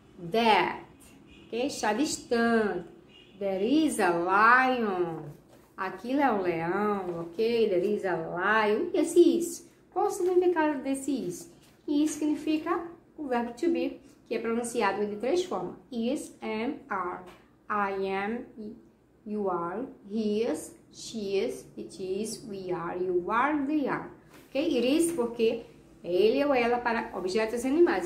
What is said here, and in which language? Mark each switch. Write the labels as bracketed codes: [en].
[en] That, ok? [pt] Está distante. [en] There is a lion. [pt] Aquilo é o leão, ok? [en] There is a lion. [pt] E esse is? Qual o significado desse is? Is significa o verbo to be, que é pronunciado de três formas. [en] Is, am, are. I am, you are. He is, she is, it is, we are, you are, they are. Ok? [pt] It is porque é ele ou ela para objetos e animais.